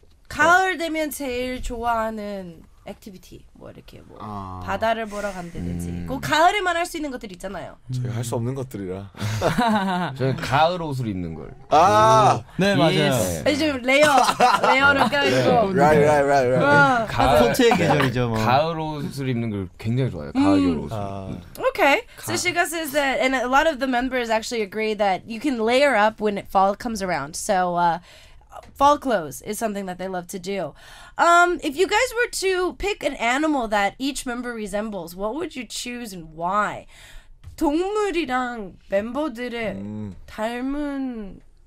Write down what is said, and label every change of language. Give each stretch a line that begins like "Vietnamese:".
Korean: 가을 되면 제일 좋아하는 액티비티 뭐 이렇게 뭐 바다를 보러 간다든지 꼭 가을에만 할 수 있는 것들 있잖아요. 저희 할 수 없는 것들이라. 저희 가을 옷을 입는 걸. 아, 네 맞아요. 요즘 레이어를 껴입고. 네. Right. 코트의 계절이죠. 뭐. 가을 옷을 입는 걸 굉장히 좋아해요. 가을 옷.
English: Okay. So Shiga says that, and a lot of the members actually agree that you can layer up when fall comes around. So. Fall clothes is something that they love to do. If you guys were to pick an animal that each member resembles, what would you choose and why?
Korean: 동물이랑 멤버들의 닮은